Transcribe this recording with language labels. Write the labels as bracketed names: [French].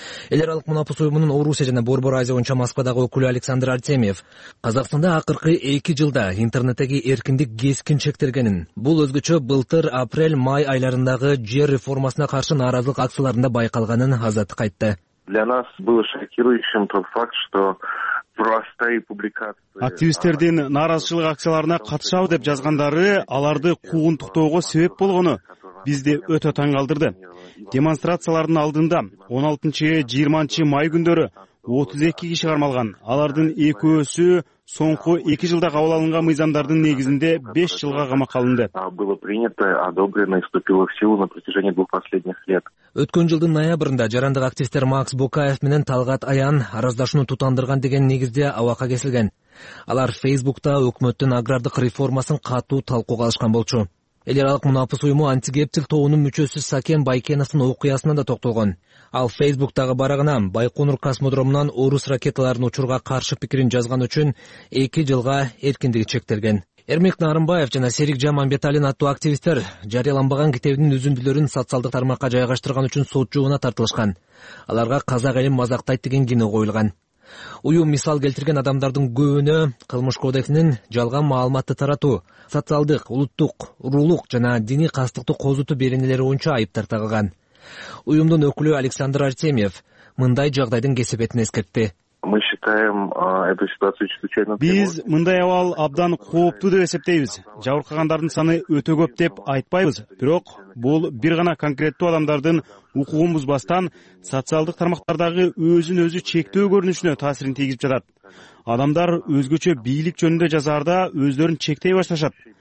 [Kyrgyz] Эл аралык мунапыс уюмунун Орусия жана Борбор Азия боюнча Москвадагы өкүлү Александр Артемьев Казакстанда акыркы 2 жылда интернеттеги эркиндик кескин чектелгенин, бул өзгөчө былтыр апрель май айларындагы жер реформасына каршы нааразылык акцияларында байкалганын Азаттык айтты. [Russian] Для нас было шокирующим тот факт, что простые публикации. [Kyrgyz] Активисттердин нааразычылык акцияларына катышабы деп жазгандары аларды куугунтуктоого себеп болгону бизди өтө таң калтырды. Демонстрациялардын алдында 16-20 май күндөрү 32 киши кармалган. Алардын экөөсү соңку 2 жылда кабыл алынган мыйзамдардын негизинде 5 жылга камакка алынды. [Russian] Было принято, одобрено и вступило в силу на протяжении двух последних лет. [Kyrgyz] Өткөн жылдын ноябрында жарандык активисттер Макс Букаев менен Талгат Аян араздашууну тутандырган деген негизде абакка кесилген. Алар Facebook'та өкмөттүн агрардык реформасын катуу талкууга алышкан болчу. Эл аралык мунапыс уюму антигептил тобунун мүчөсү Сакен Байкеновдун окуясына да токтолгон. Ал Facebook'тагы барагына Байконур космодромунан орус ракеталарын учурууга каршы пикирин жазган үчүн 2 жылга эркиндиги чектелген. Эрмек Нарымбаев жана Серик Жаманбеталин аттуу активисттер жарыяланбаган китебинин үзүндүлөрүн социалдык тармакка жайгаштырган үчүн сот жообуна тартылышкан. Аларга казак элин мазактайт деген кине коюлган. Уюм мисал келтирген адамдардын көбүнө кылмыш кодексинин жалган маалыматты таратуу, социалдык, улуттук, урулук жана диний кастыкты козутуу беренелери боюнча айыптар тагылган. Уюмдун өкүлү Александр Артемьев мындай жагдайдын кесепетин эскертти. [Russian] Мы считаем эту ситуацию чрезвычайно. [Kyrgyz] Биз мындай абал абдан кооптуу деп эсептейбиз. Жабыркагандардын саны өтө көп деп айтпайбыз, бирок бул бир гана конкреттүү адамдардын укугун бузбастан социалдык тармактардагы өзүн өзү чектөө көрүнүшүнө таасирин тийгизип жатат. Адамдар өзгөчө бийлик жөнүндө жазаарда өздөрүн чектей башташат.